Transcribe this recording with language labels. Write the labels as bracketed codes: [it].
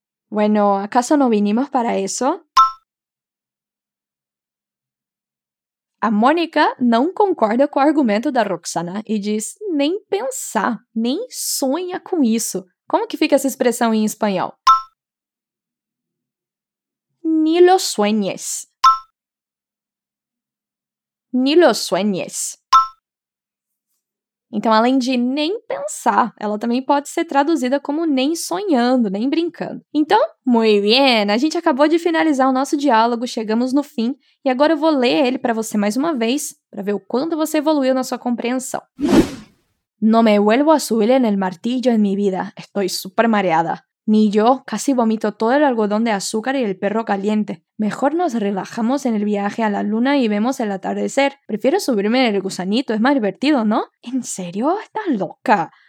[es] Bueno, ¿acaso no vinimos para eso? [pt] A Mónica não concorda com o argumento da Roxana e diz nem pensar, nem sonha com isso. Como que fica essa expressão em espanhol? [es] Ni lo sueñes. Ni lo sueñes. [pt] Então, além de nem pensar, ela também pode ser traduzida como nem sonhando, nem brincando. Então, [es] muy bien, [pt] a gente acabou de finalizar o nosso diálogo, chegamos no fim, e agora eu vou ler ele para você mais uma vez, para ver o quanto você evoluiu na sua compreensão. [es] No me vuelvo a subir en el martillo en mi vida, estoy super mareada. Ni yo, casi vomito todo el algodón de azúcar y el perro caliente. Mejor nos relajamos en el viaje a la luna y vemos el atardecer. Prefiero subirme en el gusanito, es más divertido, ¿no? ¿En serio? ¿Estás loca?